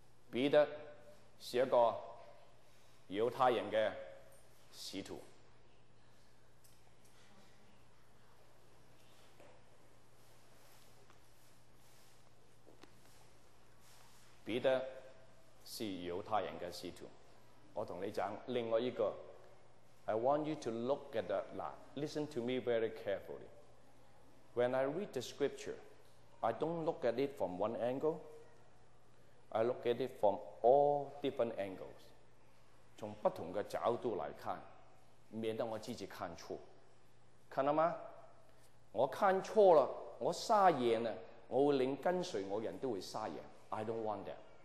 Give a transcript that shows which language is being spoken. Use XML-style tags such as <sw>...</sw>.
<zh>彼得是一个犹太人的使徒，彼得是犹太人的使徒。我跟你讲另外一个，</zh> <en>I want you to look at the line， listen to me very carefully。 When I read the scripture, I don't look at it from one angle. I look at it from all different angles.</en> <zh>从不同的角度来看，免得我自己看错。看到吗？我看错了，我撒野了，我会令跟随我人都会撒野。</zh> <en>I don't want that.</en>